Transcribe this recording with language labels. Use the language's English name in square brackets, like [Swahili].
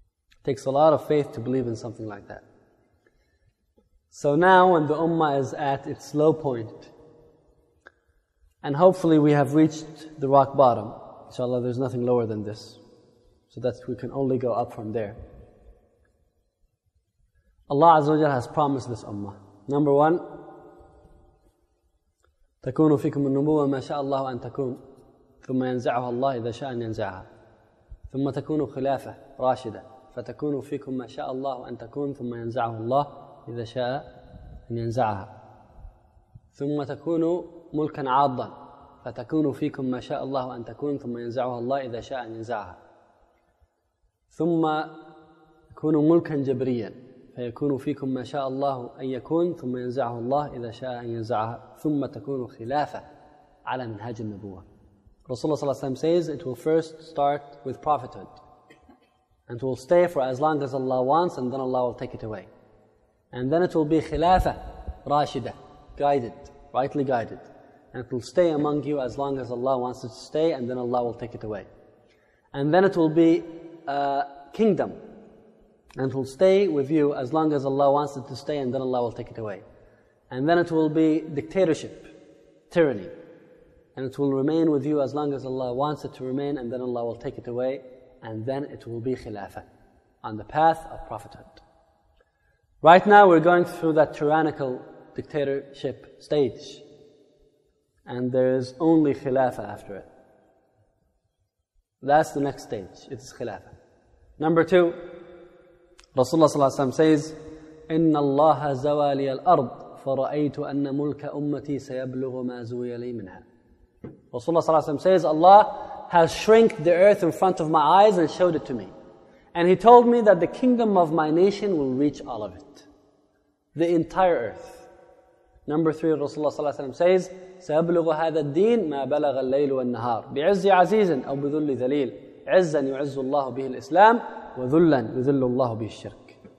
[English] It takes a lot of faith to believe in something like that. So now when the Ummah is at its low point, and hopefully we have reached the rock bottom, inshallah there's nothing lower than this, so that we can only go up from there. Allah Azza wa Jalla has promised this Ummah. Number one, [Arabic] تَكُونُ فِيكُمْ النُّبُوَّةِ مَا شَاءَ اللَّهُ أَنْ تَكُونَ ثُمَّ يَنْزَعُهَا اللَّهِ إِذَا شَاءَ أَنْ يَنْزَعَهَا ثُمَّ تَكُونُ خِلَافَةً رَاشِدَةً فَتَكُونُ فِيكُمْ مَا شَاءَ اللَّهُ أَنْ تَكُونَ ثُمَّ يَنْزَعُهَا اللَّهِ إِذَا شَاءَ أَنْ يَنْزَعَهَا ثُمَّ تَكُونُ مُلْكًا عَاضًا فَتَكُونُ فِيكُمْ مَا شَاءَ اللَّهُ أَنْ تَكُونَ ثُمَّ يَنْزَعُهَا اللَّهُ إِذَا شَاءَ أَنْ يَنْزَعَهَا ثُمَّ تَكُونُ مُلْكًا جَبْرِيًّا فيكون فيكم ما شاء الله أن يكون ثم ينزعه الله إذا شاء أن ينزعها ثم تكون خلافة على منهاج النبوة. [English] Rasulullah [Arabic] صلى الله عليه وسلم [English] says it will first start with prophethood and it will stay for as long as Allah wants and then Allah will take it away. And then it will be [Arabic] خلافة راشدة, [English] guided, rightly guided. And it will stay among you as long as Allah wants it to stay and then Allah will take it away. And then it will be a kingdom. And it will stay with you as long as Allah wants it to stay and then Allah will take it away. And then it will be dictatorship, tyranny. And it will remain with you as long as Allah wants it to remain and then Allah will take it away. And then it will be khilafah, on the path of prophethood. Right now we're going through that tyrannical dictatorship stage. And there is only khilafah after it. That's the next stage, it's khilafah. Number two, [Arabic] Rasulullah صلى الله عليه وسلم [English] says, [Arabic] إِنَّ اللَّهَ زَوَى لِيَ الْأَرْضِ فَرَأَيْتُ أَنَّ مُلْكَ أُمَّتِي سَيَبْلُغُ مَا زُوِيَ لِي مِنْهَا. [English] Rasulullah [Arabic] صلى الله عليه وسلم [English] says, Allah has shrunk the earth in front of my eyes and showed it to me. And He told me that the kingdom of my nation will reach all of it. The entire earth. Number three, [Arabic] Rasulullah صلى الله عليه وسلم [English] says, [Arabic] سَيَبْلُغُ هَذَا الدِّينَ مَا بَلَغَ اللَّيْلُ وَالنَّهَارُ بِعِزِّ عَزِيزٍ أَوْ بِذُلِّ ذَلِيلٍ عِزًّا يُعِزُّ اللَّهُ بِهِ الْإِسْلَامِ وَذُلًّا يُذِلُّ اللَّهُ بِهِ الشِّرْكِ.